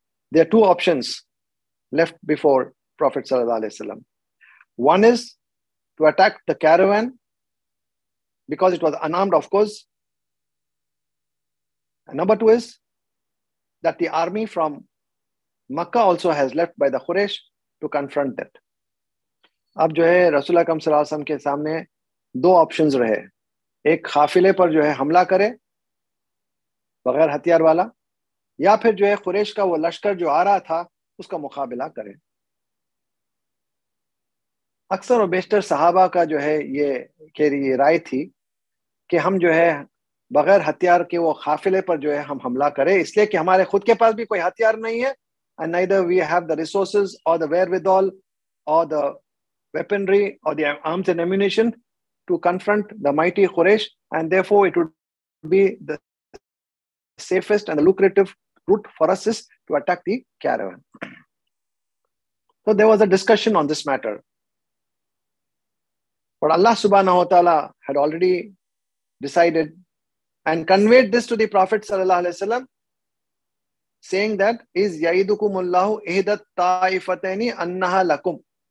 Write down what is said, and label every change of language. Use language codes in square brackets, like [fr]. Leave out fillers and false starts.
[en] There are two options left before Prophet sallallahu alayhi wa sallam. One is to attack the caravan because it was unarmed, of course. And number two is that the army from Makkah also has left by the Quraysh to confront it. [ur] اب جو ہے رسول اکرم صلی اللہ علیہ وسلم کے سامنے دو options رہے, ایک قافلے پر جو ہے حملہ کرے بغیر ہتھیار والا, یا پھر جو ہے قریش کا وہ لشکر جو آ رہا تھا اس کا مقابلہ کرے. اکثر و بیشتر صحابہ کا جو ہے یہ رائے تھی کہ ہم جو ہے بغیر ہتھیار کے وہ قافلے پر جو ہے ہم حملہ کرے, اس لیے کہ ہمارے خود کے پاس بھی کوئی ہتھیار نہیں ہے, [en] And neither we have the resources or the wherewithal or the weaponry or the arms and ammunition to confront the mighty Quraysh, and therefore it would be the safest and the lucrative route for us is to attack the caravan. So there was a discussion on this matter. But Allah subhanahu wa ta'ala had already decided and conveyed this to the Prophet sallallahu alaihi wasallam, saying that is [ar] yaidukumullahu ihdat ta'ifataini annaha lakum.